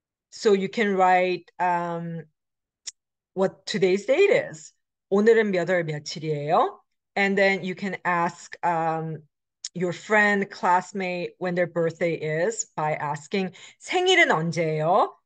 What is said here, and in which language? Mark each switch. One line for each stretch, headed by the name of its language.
English: So you can write, what today's date is.
Korean: 오늘은 몇월 며칠이에요?
English: And then you can ask your friend, classmate, when their birthday is by asking
Korean: 생일은 언제예요?